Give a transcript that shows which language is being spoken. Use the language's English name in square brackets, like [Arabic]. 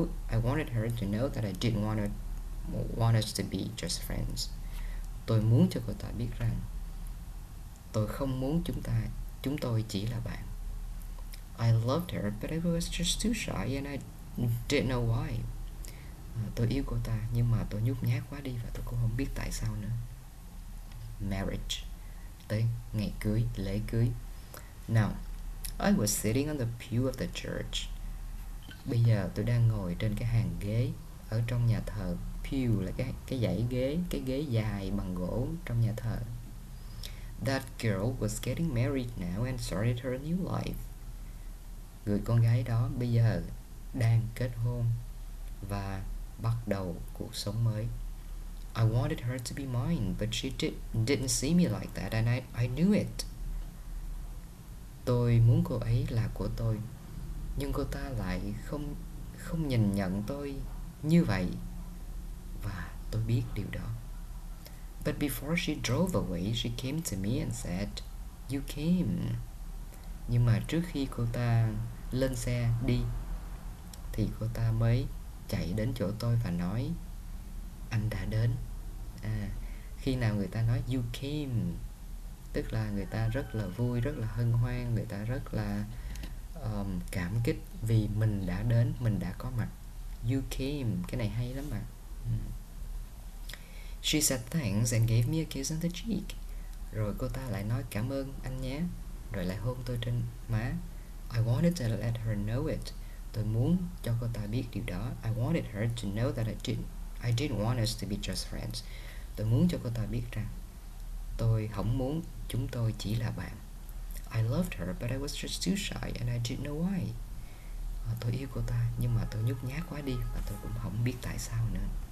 [English] I wanted her to know that I didn't want us to be just friends. [Vietnamese] Tôi muốn cho cô ta biết rằng tôi không muốn chúng tôi chỉ là bạn. [English] I loved her, but I was just too shy and I didn't know why. [Vietnamese] Tôi yêu cô ta, nhưng mà tôi nhút nhát quá đi và tôi cũng không biết tại sao nữa. Marriage. Tới ngày cưới, lễ cưới. [English] Now, I was sitting on the pew of the church. [Vietnamese] Bây giờ tôi đang ngồi trên cái hàng ghế ở trong nhà thờ. Pew là cái dãy ghế, cái ghế dài bằng gỗ trong nhà thờ. [English] That girl was getting married now and started her new life. [Vietnamese] Người con gái đó bây giờ đang kết hôn và bắt đầu cuộc sống mới. [English] I wanted her to be mine, but she didn't see me like that, and I knew it. [Vietnamese] Tôi muốn cô ấy là của tôi, nhưng cô ta lại không không nhìn nhận tôi như vậy. Và tôi biết điều đó. [English] But before she drove away, she came to me and said, "You came." [Vietnamese] Nhưng mà trước khi cô ta lên xe đi, thì cô ta mới chạy đến chỗ tôi và nói, "Anh đã đến." Khi nào người ta nói [English] you came, [Vietnamese] tức là người ta rất là vui, rất là hân hoan, người ta rất là cảm kích vì mình đã đến, mình đã có mặt. [English] You came. [Vietnamese] Cái này hay lắm bạn. [English] She said thanks and gave me a kiss on the cheek. [Vietnamese] Rồi cô ta lại nói cảm ơn anh nhé. Rồi lại hôn tôi trên má. [English] I wanted to let her know it. [Vietnamese] Tôi muốn cho cô ta biết điều đó. [English] I wanted her to know that I didn't want us to be just friends. [Vietnamese] Tôi muốn cho cô ta biết rằng tôi không muốn chúng tôi chỉ là bạn. [English] I loved her, but I was just too shy and I didn't know why. [Vietnamese] Tôi yêu cô ta, nhưng mà tôi nhút nhát quá đi và tôi cũng không biết tại sao nữa.